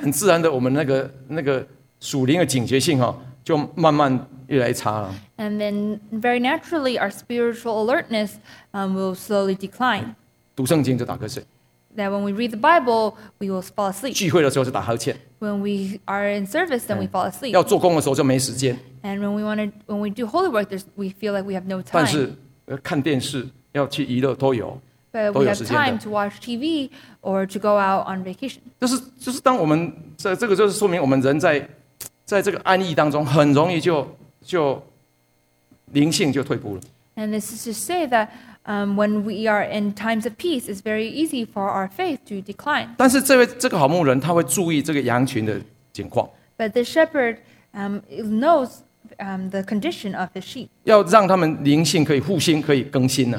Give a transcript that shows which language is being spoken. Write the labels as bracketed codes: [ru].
[zh] 很自然的，我们那个属灵的警觉性就慢慢越来越差了。 [en] And then very naturally, our spiritual alertness will slowly decline. [zh] 读圣经就打瞌睡。 [en] That when we read the Bible, we will fall asleep. [zh] 聚会的时候就打呵欠。 [en] When we are in service, then we fall asleep. [zh] 要做工的时候就没时间。 [en] And when we do holy work, we feel like we have no time. [zh] 但是看电视要去娱乐都有。 [en] But we have time to watch TV or to go out on vacation. [zh] 就是当我们这个就是说明我们人在这个安逸当中很容易就灵性就退步了。 [en] And this is to say that when we are in times of peace, it's very easy for our faith to decline. [zh] 但是这个好牧人他会注意这个羊群的情况。 [en] But the shepherd knows the condition of the sheep. [zh] 要让他们灵性可以复兴，可以更新呢。